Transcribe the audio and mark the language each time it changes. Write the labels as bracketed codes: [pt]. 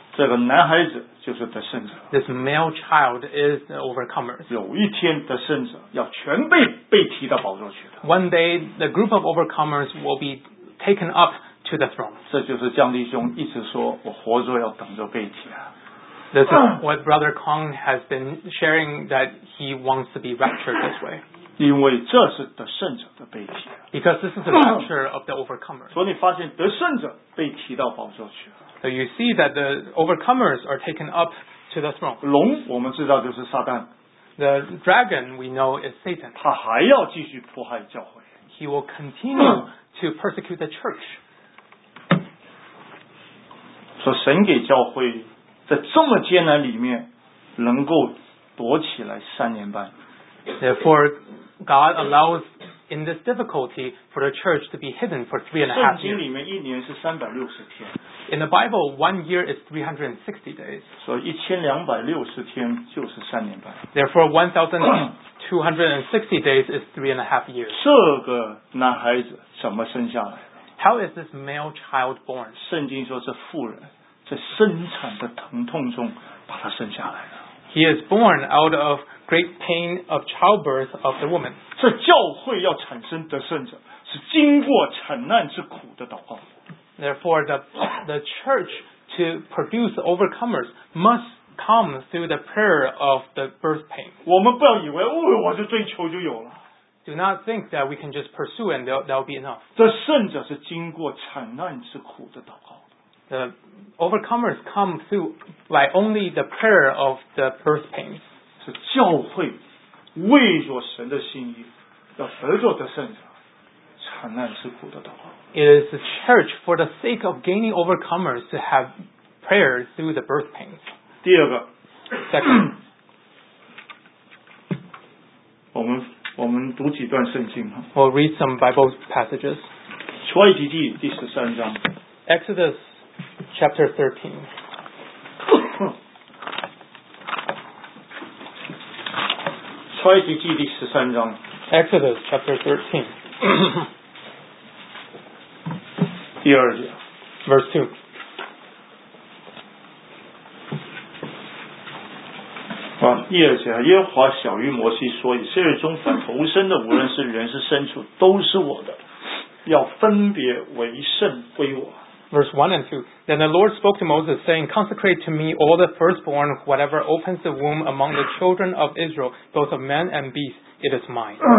[zh] 这个男孩子就是得胜者。 [en] This male child is the overcomer. [zh] 有一天得胜者要全被提到宝座去的。 [en] One day, the group of overcomers will be taken up to the throne. [zh] 这就是江弟兄一直说，我活着要等着被提啊。 [en] This is what Brother Kong has been sharing that he wants to be raptured this way. [zh] 因为这是得胜者的被提。 [en] Because this is the picture of the overcomer. [zh] 所以你发现得胜者被提到宝座去了。 [en] So you see that the overcomers are taken up to the throne. [zh] 龙我们知道就是撒旦。 [en] The dragon we know is Satan. [zh] 他还要继续迫害教会。 [en] He will continue to persecute the church. [zh] 说神给教会在这么艰难里面能够躲起来三年半。 [en] Therefore, God allows in this difficulty for the church to be hidden for 3.5 years. [zh] 圣经里面一年是360天。 [en] In the Bible, 1 year is 360 days. [zh] 所以1260天就是三年半。 [en] Therefore, 1260 days is 3.5 years. [zh] 这个男孩子怎么生下来的？ [en] How is this male child born? [zh] 圣经说是妇人在生产的疼痛中把他生下来的。 [en] He is born out of great pain of childbirth of the woman. [zh] 这教会要产生得胜者是经过惨难之苦的祷告。 [en] Therefore the church to produce overcomers must come through the prayer of the birth pain. [zh] 我们不要以为哦，我就追求就有了。 [en] Do not think that we can just pursue and that will be enough. [zh] 这胜者是经过惨难之苦的祷告。 [en] The overcomers come through by only the prayer of the birth pains. [zh] 是教会为着神的心意，要得着得胜者，惨难之苦的祷告。 [en] It is the church for the sake of gaining overcomers to have prayer through the birth pains. [zh] 第二个 [en] ，second， [zh] 我们读几段圣经哈。 [en] We'll read some Bible passages. [zh] 出埃及记第十三章。 [en] Exodus. Chapter 13. [zh] 出埃及记第十三章。 [en] Exodus chapter 13. [zh] 第二节。 [en] Verse 2. [zh] 啊，第二节，耶和华晓谕摩西说：“以色列中凡投生的，无论是人是牲畜，都是我的，要分别为圣归我。” [en] verse 1 and 2. Then the Lord spoke to Moses, saying, consecrate to me all the firstborn, whatever opens the womb among the children of Israel, both of men and beasts, it is mine.